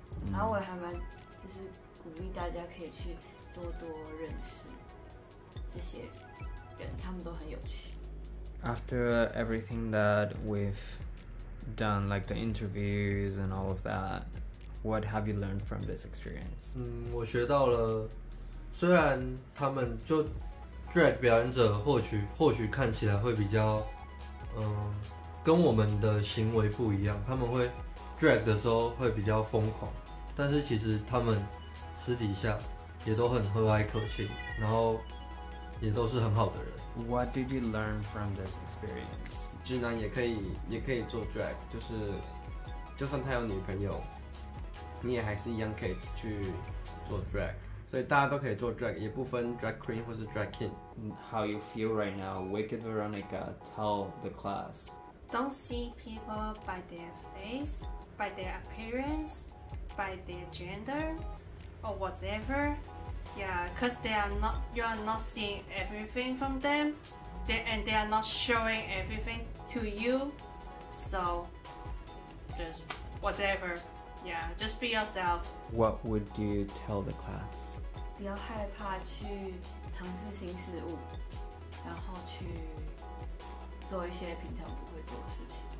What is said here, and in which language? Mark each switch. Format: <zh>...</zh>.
<zh>然后我还蛮就是鼓励大家可以去多多认识这些人，他们都很有趣。</zh> <en>After everything that we've done, like the interviews and all of that, what have you learned from this experience?</en> <zh>我学到了，虽然他们就 drag 表演者或许看起来会比较，跟我们的行为不一样，他们会。 Drag 的时候会比较疯狂，但是其实他们私底下也都很和蔼可亲，然后也都是很好的人。</zh> <en>What did you learn from this experience?</en> <zh>直男也可以做 drag， 就是就算他有女朋友，你也还是一样可以去做 drag。所以大家都可以做 drag， 也不分 drag queen 或是 drag king。</zh> <en>How you feel right now, Wicked Veronica? Tell the class. Don't see people by their face, by their appearance, by their gender, or whatever. Yeah, because you are not seeing everything from them, and they are not showing everything to you. So, just whatever. Yeah, just be yourself. What would you tell the class?</en> <zh>不要害怕去尝试新事物，然后去做一些平常不会做的事情。</zh>